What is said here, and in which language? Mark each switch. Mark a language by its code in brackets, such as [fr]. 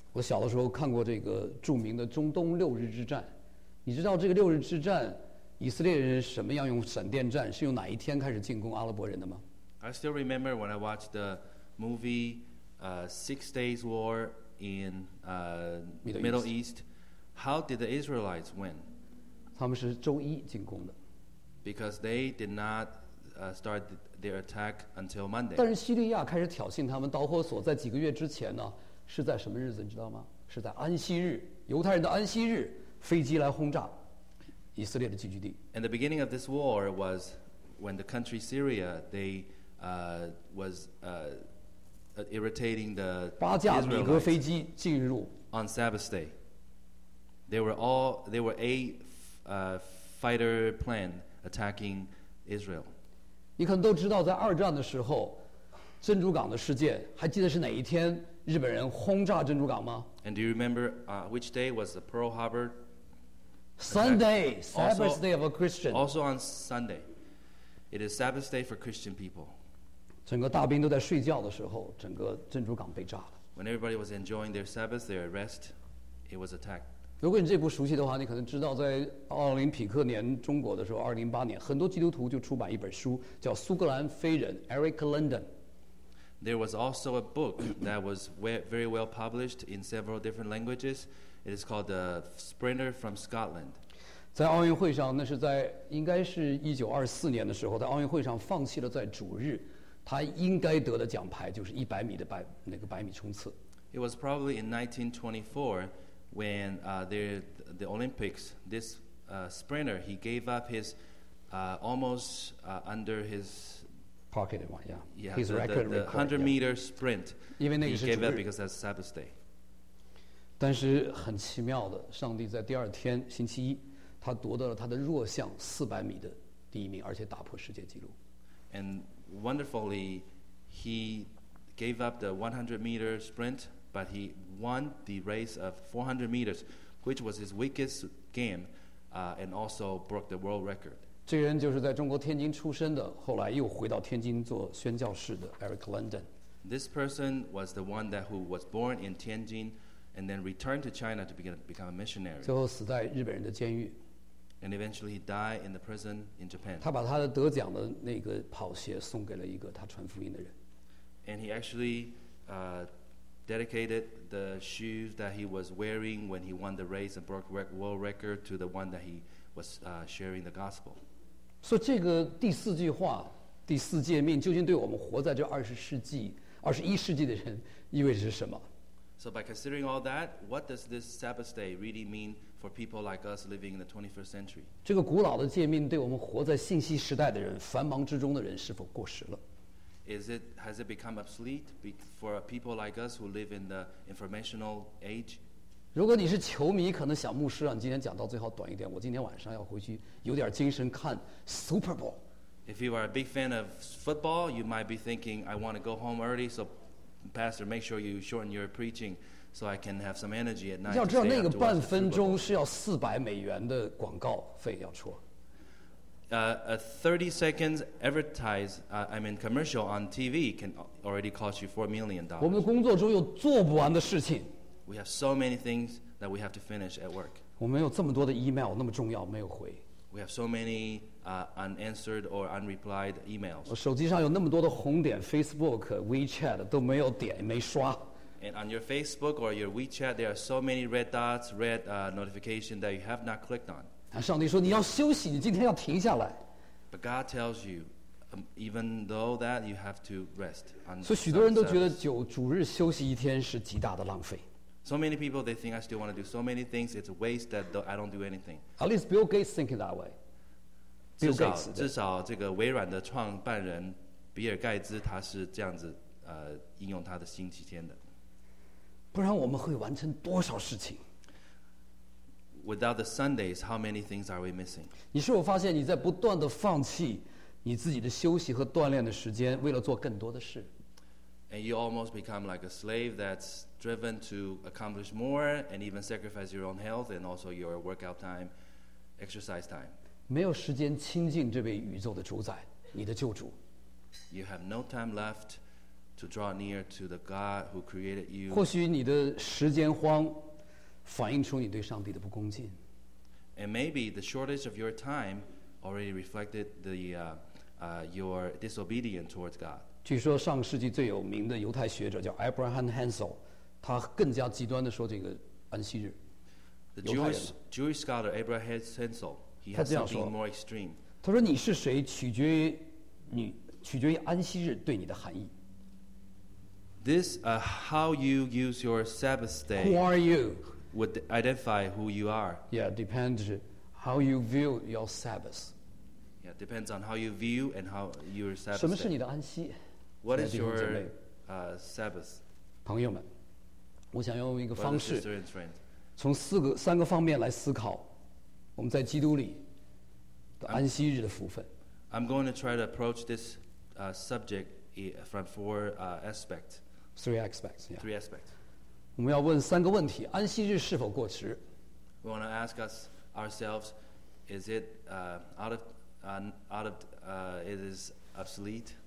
[zh] 我小的时候看过这个著名的中东六日之战。你知道这个六日之战，以色列人什么样用闪电战，是用哪一天开始进攻阿拉伯人的吗 [en] ？I still remember when I watched the movie, Six Days War in Middle East. How did the Israelites win? [zh] 他们是周一进攻的。 [en] Because they did not start their attack until Monday. [zh] 但是叙利亚开始挑衅他们导火索在几个月之前呢，是在什么日子你知道吗？是在安息日，犹太人的安息日。飞机来轰炸以色列的聚居地。 [en] And the beginning of this war was when the country Syria they was irritating the Israelites. [zh] 八架美国飞机进入。 [en] On Sabbath day, there were eight fighter plane attacking Israel. [zh] 你可能都知道，在二战的时候，珍珠港的事件，还记得是哪一天日本人轰炸珍珠港吗 [en] ？And do you remember which day was the Pearl Harbor? Sunday, Sabbath day of a Christian. Also on Sunday, it is Sabbath day for Christian people. [zh] 整个大兵都在睡觉的时候，整个珍珠港被炸了。 [en] When everybody was enjoying their Sabbath, their rest, it was attacked. [zh] 如果你这不熟悉的话，你可能知道，在奥林匹克年中国的时候，2008年，很多基督徒就出版一本书，叫《苏格兰飞人》，Eric London. [en] There was also a book that was very well published in several different languages. It is called the Sprinter from Scotland. [zh] 在奥运会上，那是在应该是1924年的时候，在奥运会上放弃了在主日，他应该得的奖牌就是100米的百米冲刺。 [en] It was probably in 1924 when the Olympics. This sprinter he gave up his almost under his pocket one. Yeah, his record. The 100-meter sprint. Even he gave up because that's Sabbath day. [zh] 但是很奇妙的，上帝在第二天星期一，他夺得了他的弱项400米的第一名，而且打破世界纪录。 [en] And wonderfully, he gave up the 100 meter sprint, but he won the race of 400 meters, which was his weakest game, and also broke the world record. [zh] 这个人就是在中国天津出生的，后来又回到天津做宣教士的 Eric London。 [en] This person was the one that who was born in Tianjin. And then returned to China to become a missionary. [zh] 最后死在日本人的监狱。 [en] And eventually he died in the prison in Japan. [zh] 他把他的得奖的那个跑鞋送给了一个他传福音的人。 [en] And he actually dedicated the shoes that he was wearing when he won the race and broke world record to the one that he was sharing the gospel. [zh] 所以这个第四句话，第四诫命，究竟对我们活在这二十一世纪的人意味着什么？ [en] So by considering all that, what does this Sabbath day really mean for people like us living in the 21st century? [zh] 这个古老的诫命对我们活在信息时代的人、繁忙之中的人是否过时了？ [en] Has it become obsolete for people like us who live in the informational age? [zh] 如果你是球迷，可能想牧师让你今天讲到最后短一点，我今天晚上要回去有点精神看 Super Bowl. [en] If you are a big fan of football, you might be thinking, I want to go home early, so. Pastor, make sure you shorten your preaching so I can have some energy at night. [zh] 你要知道，那个半分钟是要$400的广告费要出。 [en] A 30 seconds advertise, commercial on TV can already cost you $4 million. [zh] 我们工作中有做不完的事情。 [en] We have so many things that we have to finish at work. [zh] 我们有这么多的 email 那么重要没有回。 [en] We have so many unanswered or unreplied emails. [zh] 我手机上有那么多的红点 ，Facebook、WeChat 都没有点没刷。 [en] And on your Facebook or your WeChat, there are so many red dots, red notification that you have not clicked on. [zh] 上帝说你要休息，你今天要停下来。 [en] But God tells you, even though that you have to rest. [zh] 所以许多人都觉得主日休息一天是极大的浪费。 [en] So many people, they think I still want to do so many things. It's a waste that I don't do anything. At least Bill Gates thinking that way. [zh] 至少这个微软的创办人比尔盖茨他是这样子应用他的星期天的。不然我们会完成多少事情？ [en] Without the Sundays, how many things are we missing? [zh] 你是否发现你在不断的放弃你自己的休息和锻炼的时间，为了做更多的事？ [en] And you almost become like a slave that's driven to accomplish more and even sacrifice your own health and also your workout time, exercise time. [zh] 没有时间亲近这位宇宙的主宰，你的救主。 [en] You have no time left to draw near to the God who created you. [zh] 或许你的时间荒反映出你对上帝的不恭敬。 [en] And maybe the shortage of your time already reflected the your disobedience towards God. [zh] 据说上世纪最有名的犹太学者叫 Abraham Hansel， 他更加极端地说这个安息日。 [en] The Jewish scholar Abraham Hansel， he has something more extreme. [zh] 他说你是谁取决于安息日对你的含义。 [en] This how you use your Sabbath day. Who are you? Would identify who you are. Yeah, depends how you view your Sabbath. Yeah, depends on how you view and how your Sabbath. [zh] 什么是你的安息？ [en] What is your Sabbath? [zh] 朋友们，我想用一个方式，从三个方面来思考我们在基督里的安息日的福分。 [en] I'm going to try to approach this subject from four aspects. Three aspects. Yeah. Three aspects. [zh] 我们要问三个问题：安息日是否过时 [en] ？We want to ask ourselves, is it it is obsolete?